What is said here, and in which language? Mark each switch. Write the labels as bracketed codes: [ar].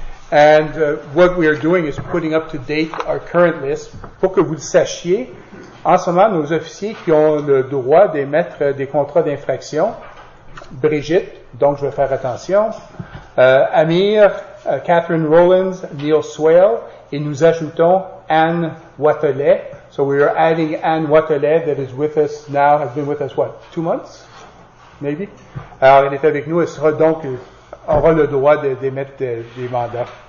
[en] And what we are doing is putting up to date our current list. [fr] Pour que vous le sachiez, en ce moment, nos officiers qui ont le droit d'émettre des contrats d'infraction, Brigitte, donc je vais faire attention, Amir, Catherine Rollins, Neil Swale, et nous ajoutons Anne Watelet. [en] So we are adding Anne Watelet that is with us now, has been with us, what, 2 months? [fr] maybe. Alors, elle est avec nous. Elle sera donc, aura le droit d'émettre des mandats.